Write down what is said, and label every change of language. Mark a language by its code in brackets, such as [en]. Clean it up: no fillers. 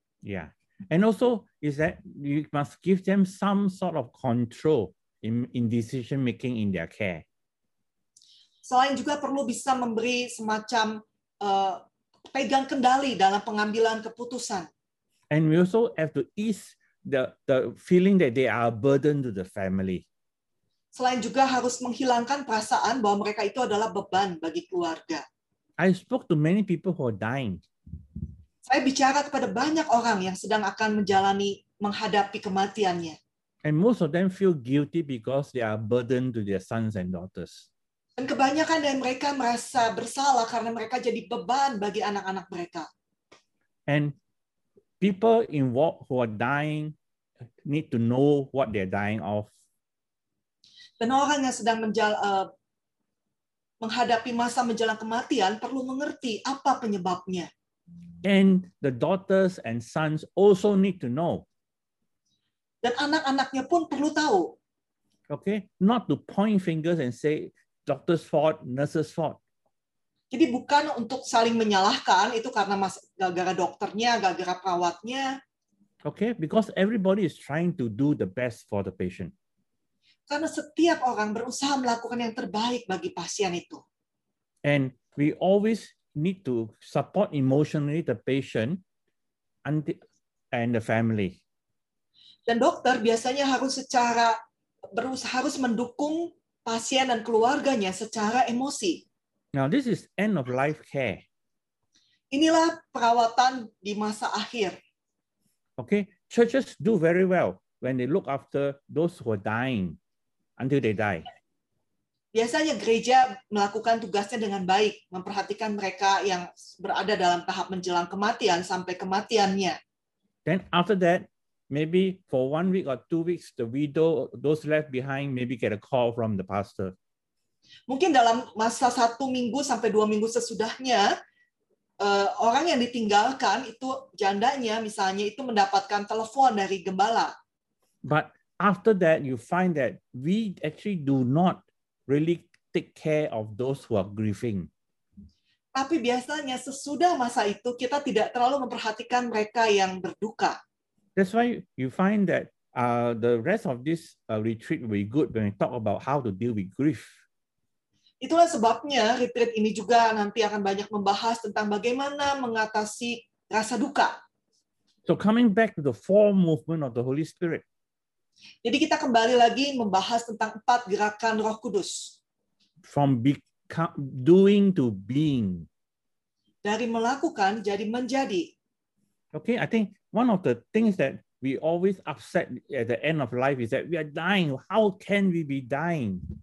[en] Yeah, and also is that you must give them some sort of control in decision making in their care. [id] Selain juga perlu bisa memberi semacam pegang kendali dalam pengambilan keputusan. [en] And we also have to ease the feeling that they are a burden to the family. [id] Selain juga harus menghilangkan perasaan bahwa mereka itu adalah beban bagi keluarga. [en] I spoke to many people who are dying. [id] Saya bicara kepada banyak orang yang sedang akan menghadapi kematiannya. [en] And most of them feel guilty because they are a burden to their sons and daughters. [id] Dan kebanyakan dari mereka merasa bersalah karena mereka jadi beban bagi anak-anak mereka. [en] And people involved who are dying need to know what they're dying of. [id] Dan orang yang sedang menghadapi masa menjelang kematian perlu mengerti apa penyebabnya. [en] And the daughters and sons also need to know. [id] Dan anak-anaknya pun perlu tahu. [en] Okay, not to point fingers and say doctor's fault, nurse's fault. [id] Jadi bukan untuk saling menyalahkan itu karena gara-gara dokternya, gara-gara perawatnya. [en] Okay, because everybody is trying to do the best for the patient. [id] Karena setiap orang berusaha melakukan yang terbaik bagi pasien itu. [en] And we always need to support emotionally the patient and the family. [id] Dan dokter biasanya harus mendukung pasien dan keluarganya secara emosi. [en] Now this is end of life care. [id] Inilah perawatan di masa akhir. [en] Okay, churches do very well when they look after those who are dying until they die. [id] Biasanya gereja melakukan tugasnya dengan baik, memperhatikan mereka yang berada dalam tahap menjelang kematian sampai kematiannya. [en] Then after that, maybe for 1 week or 2 weeks, the widow, those left behind, maybe get a call from the pastor. [id] Mungkin dalam masa 1 minggu sampai 2 minggu sesudahnya, orang yang ditinggalkan itu jandanya misalnya itu mendapatkan telepon dari gembala. [en] But after that, you find that we actually do not really take care of those who are grieving. [id] Tapi biasanya sesudah masa itu kita tidak terlalu memperhatikan mereka yang berduka. [en] That's why you find that the rest of this retreat will be good when we talk about how to deal with grief. [id] Itulah sebabnya retreat ini juga nanti akan banyak membahas tentang bagaimana mengatasi rasa duka. [en] So coming back to the four movement of the Holy Spirit. [id] Jadi kita kembali lagi membahas tentang 4 gerakan Roh Kudus. [en] From doing to being. [id] Dari melakukan jadi menjadi. [en] Okay, I think one of the things that we always upset at the end of life is that we are dying. How can we be dying?